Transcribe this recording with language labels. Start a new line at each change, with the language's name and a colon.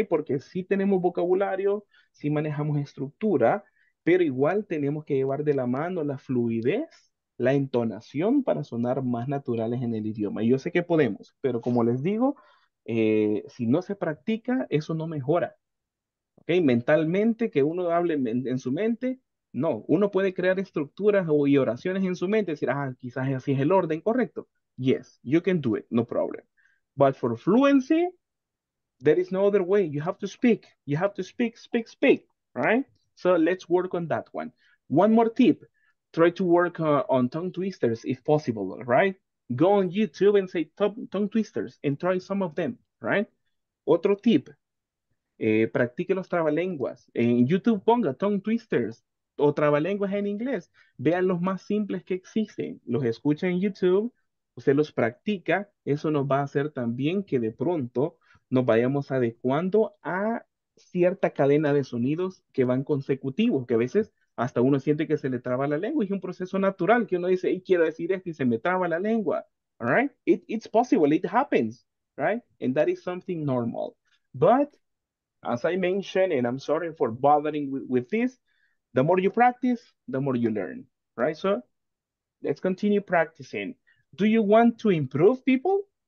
Spanish: Porque sí tenemos vocabulario, sí manejamos estructura, pero igual tenemos que llevar de la mano la fluidez, la entonación para sonar más naturales en el idioma. Y yo sé que podemos, pero como les digo, si no se practica, eso no mejora, ¿ok? Mentalmente, que uno hable en su mente, no, uno puede crear estructuras y oraciones en su mente, decir, quizás así es el orden, correcto.
English: Yes, you can do it, no problem. But for fluency, there is no other way. You have to speak. You have to speak, speak, speak, right? So let's work on that one. One more tip. Try to work on tongue twisters if possible, right? Go on YouTube and say tongue twisters and try some of them, right?
Spanish: Otro tip. Practique los trabalenguas. En YouTube ponga tongue twisters. O trabalenguas en inglés, vean los más simples que existen, los escucha en YouTube, usted los practica, eso nos va a hacer también que de pronto nos vayamos adecuando a cierta cadena de sonidos que van consecutivos, que a veces hasta uno siente que se le traba la lengua, y es un proceso natural, que uno dice, hey, quiero decir esto, y se me traba la lengua, right?
English: It's possible, it happens, right? And that is something normal. But, as I mentioned, and I'm sorry for bothering with this, the more you practice, the more you learn, right? So let's continue practicing. Do you want to improve, people?